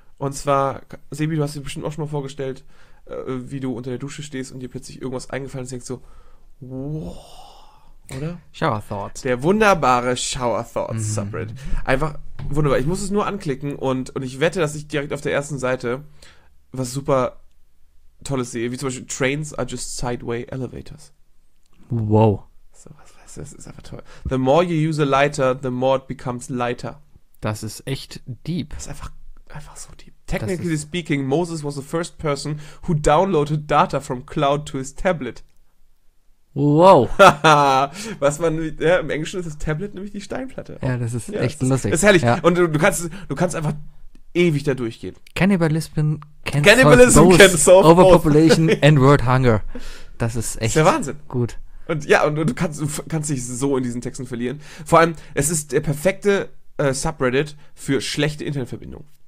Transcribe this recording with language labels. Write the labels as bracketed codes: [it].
[de] Und zwar, Sebi, du hast dir bestimmt auch schon mal vorgestellt, wie du unter der Dusche stehst und dir plötzlich irgendwas eingefallen ist und denkst so, wow, oder? Shower Thoughts. Der wunderbare Shower Thoughts Subreddit. Einfach wunderbar. Ich muss es nur anklicken und ich wette, dass ich direkt auf der ersten Seite was super Tolles sehe, wie zum Beispiel [en] Trains are just sideway elevators. [de] Wow. So, das ist einfach toll. [en] The more you use a lighter, the more it becomes lighter. [de] Das ist echt deep. Das ist einfach so deep. [en] Technically speaking, Moses was the first person who downloaded data from cloud to his tablet. [de] Wow. Was man, im Englischen ist das Tablet nämlich die Steinplatte. Ja, das ist echt lustig. Das ist herrlich. Ja. Und du kannst einfach ewig da durchgehen. [en] Cannibalism can solve overpopulation and world hunger. [de] Das ist echt der Wahnsinn. Gut. Und ja, und du kannst dich so in diesen Texten verlieren. Vor allem, es ist der perfekte Subreddit für schlechte Internetverbindung.